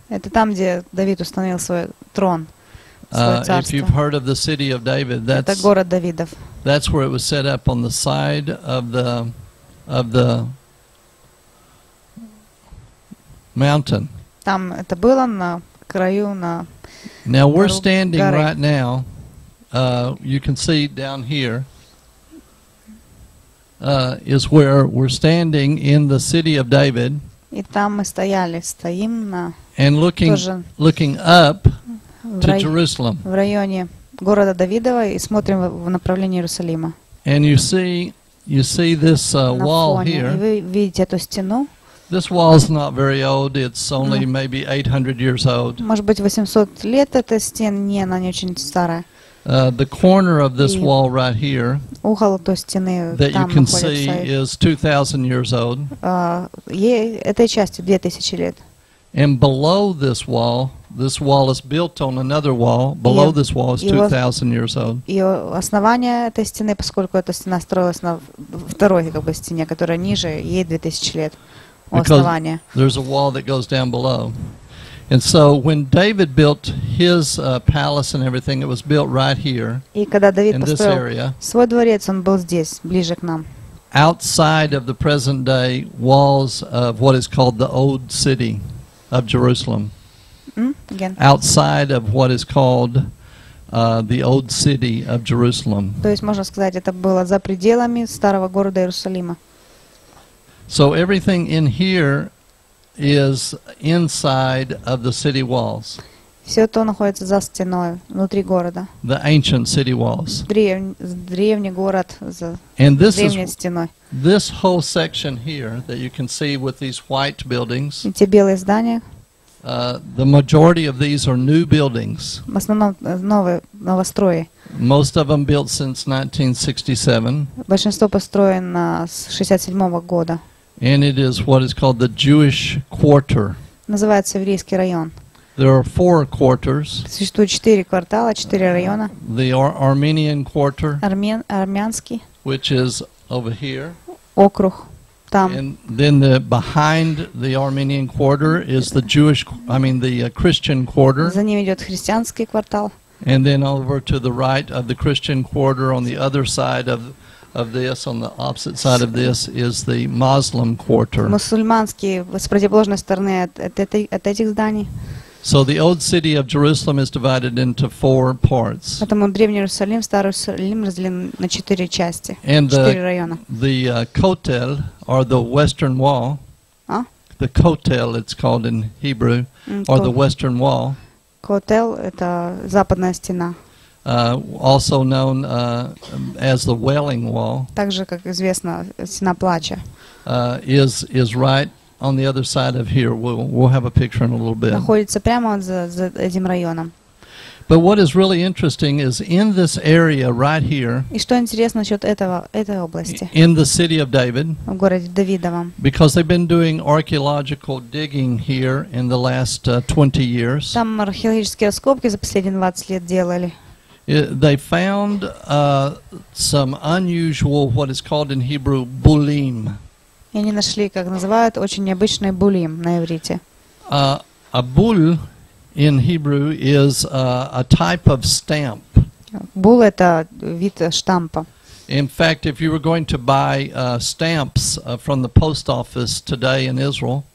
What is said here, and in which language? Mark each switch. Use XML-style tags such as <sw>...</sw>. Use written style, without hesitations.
<ru>Это там, где Давид установил свой трон, свое царство.</ru> <en>If you've heard of the city of David, that's</en> <ru>Это город Давидов.</ru> <en>That's where it was set up on the side of the mountain.</en> <ru>Там это было на краю на.</ru> <en>Now we're standing right now. You can see down here is where we're standing in the city of David.</en> <ru>И там мы стояли, стоим на.</ru> <en>And looking up to Jerusalem.</en> <ru>В районе города Давидова и смотрим в направлении Иерусалима.</ru> <en>And you see this wall here.</en> <ru>И вы видите эту стену.</ru> <en>This wall is not very old. It's only maybe 800 years old.</en> <ru>Может быть, 800 лет эта стена, не, она не очень старая.</ru> <en>The corner of this wall right here.</en> <ru>Угол той стены там.</ru> <en>That you can see is 2000 years old.</en> <ru>Этой части 2000 лет.</ru> <en>And below this wall is built on another wall. Below this wall is 2000 years old.</en> <ru>И основание этой стены, поскольку эта стена строилась на второй как бы стене, которая ниже, ей 2000 лет.</ru> <en>Because there's a wall that goes down below. And so when David built his palace and everything, it was built right here in this area.</en> <ru>Свой дворец, он был здесь, ближе к нам.</ru> <en>Outside of the present day walls of what is called the old city of Jerusalem. Outside of what is called the old city of Jerusalem.</en> <ru>То есть можно сказать, это было за пределами старого города Иерусалима.</ru> <en>So everything in here is inside of the city walls.</en> <ru>Все то находится за стеной внутри города.</ru> <en>The ancient city walls.</en> <ru>Древний город за древней стеной.</ru> <en>This whole section here that you can see with these white buildings.</en> <ru>Эти белые здания.</ru> <en>The majority of these are new buildings.</en> <ru>В основном новые новострои.</ru> <en>Most of them built since 1967.</en> <ru>Большинство построено с 67 года.</ru> <en>And it is what is called the Jewish quarter.</en> <ru>Называется еврейский район.</ru> <en>There are four quarters.</en> <ru>Существует четыре квартала, четыре района.</ru> <en>The Armenian quarter.</en> <ru>Армянский.</ru> <en>Which is over here.</en> <ru>Округ там.</ru> <en>And then the behind the Armenian quarter is the Jewish, I mean the Christian quarter.</en> <ru>За ним идет христианский квартал.</ru> <en>And then over to the right of the Christian quarter on the other side of this, on the opposite side of this, is the Muslim quarter.</en> <ru>Мусульманский с противоположной стороны от этих зданий.</ru> <en>So the old city of Jerusalem is divided into four parts.</en> <ru>Поэтому древний Иерусалим, старый Иерусалим разделен на четыре части, четыре района.</ru> <en>The Kotel, or the Western Wall. The Kotel, it's called in Hebrew, or the Western Wall.</en> <ru>Kotel это западная стена.</ru> <en>Also known as the Wailing Wall.</en> <ru>Также, как известно, стена плача.</ru> <en>Is right on the other side of here. We'll have a picture in a little bit.</en> <ru>Находится прямо за этим районом.</ru> <en>But what is really interesting is in this area right here.</en> <ru>И что интересно насчет этой области?</ru> <en>In the city of David.</en> <ru>В городе Давидовом.</ru> <en>Because they've been doing archaeological digging here in the last 20 years.</en> <ru>Там археологические раскопки за последние 20 лет делали.</ru> <en>They found some unusual, what is called in Hebrew, bulim.</en> <ru>И они нашли, как называют, очень необычный булим на иврите.</ru> <en>A bul in Hebrew is a type of stamp.</en> <ru>Bul – это вид штампа.</ru> <en>In fact, if you were going to buy stamps from the post office today in Israel.</en>